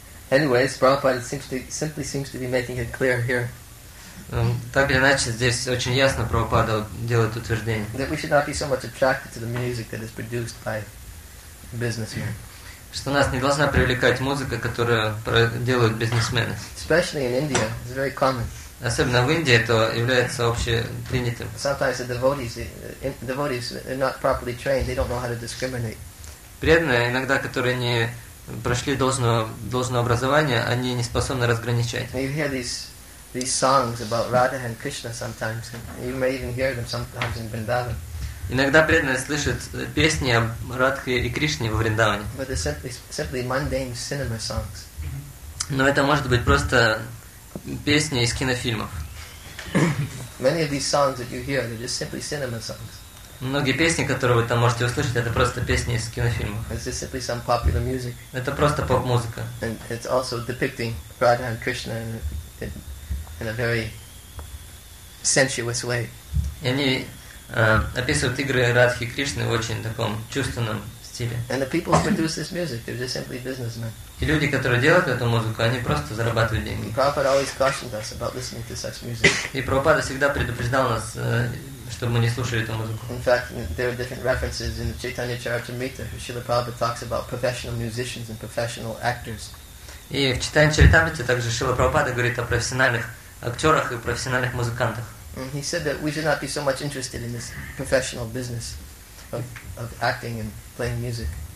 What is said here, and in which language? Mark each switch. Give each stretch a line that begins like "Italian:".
English: Anyways, Prabhupada simply seems to be making it clear here.
Russian: Так или иначе, здесь очень ясно Прабхупада делает утверждение.
English: That we should not be so much attracted to the music that is produced by businessmen.
Russian: Что нас не должна привлекать музыка, которую делают бизнесмены.
English: Especially in India, it's very common.
Russian: Особенно в Индии это является общепринятым.
English: Sometimes the devotees are not properly trained. They don't know how to discriminate.
Russian: Преданные, иногда которые не прошли должного образования, они не способны разграничать.
English: You hear these songs about Radha and Krishna sometimes. You may even hear them sometimes in Vrindavan.
Russian: Иногда преданные слышат песни о Радхе и Кришне во Вриндаване.
English: But they're simply mundane cinema songs.
Russian: Но это может быть просто песни из кинофильмов.
English: Many of these songs that you hear, they're just simply cinema songs.
Russian: Многие песни, которые вы там можете услышать, это просто песни из кинофильмов.
English: It's just simply some popular music.
Russian: Это просто поп-музыка.
English: And it's also depicting Radha and Krishna in a very sensuous way.
Russian: И они описывают игры Радхи и Кришны в очень таком чувственном стиле.
English: And the people who produce this music, they're just simply businessmen.
Russian: И люди, которые делают эту музыку, они просто зарабатывают деньги.
English: And Prabhupada always cautioned us about listening to such music.
Russian: И Прабхупада всегда предупреждал нас. Чтобы мы не слушали эту музыку.
English: In fact, there are different references in the Chaitanya Charitamrita. Srila Prabhupada talks about professional musicians and professional actors.
Russian: И в Chaitanya Charitamrita также Шрила Прабхупада говорит о профессиональных актерах и профессиональных музыкантах.
English: And he said that we should not be so much interested in this professional business of acting and playing music.